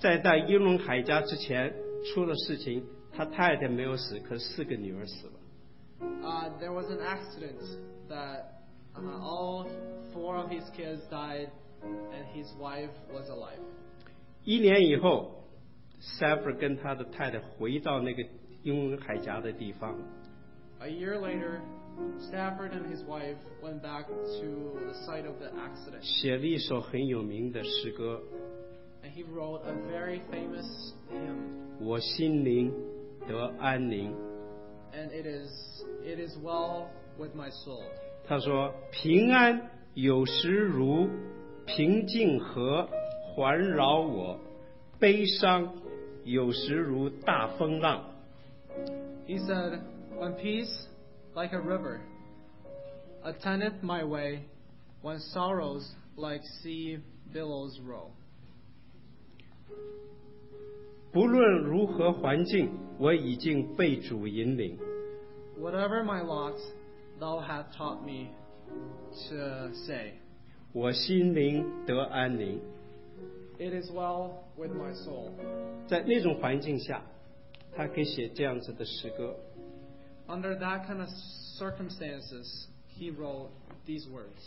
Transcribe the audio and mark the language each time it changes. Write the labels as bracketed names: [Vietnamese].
[Chinese] 在到英伦海峡之前出了事情，他太太没有死，可是四个女儿死了。 [English] There was an accident that all four of his kids died and his wife was alive. [Chinese] 一年以后 Sanford 跟他的太太回到那个英伦海峡的地方。 [English] A year later, Stafford and his wife went back to the site of the accident. [Chinese] 写了一首很有名的诗歌。 [English] And he wrote a very famous hymn. [Chinese] 我心灵得安宁。 [English] And it is well with my soul. [Chinese] 他说平安有时如平静河环绕我，悲伤有时如大风浪。 [English] He said, when peace, like a river, attendeth my way, when sorrows, like sea billows roll. [Chinese] 不论如何环境，我已经被主引领。 [English] Whatever my lot, thou hast taught me to say. [Chinese] 我心灵得安宁。 [English] It is well with my soul. [Chinese] 在那种环境下，他可以写这样子的诗歌。 [English] Under that kind of circumstances, he wrote these words.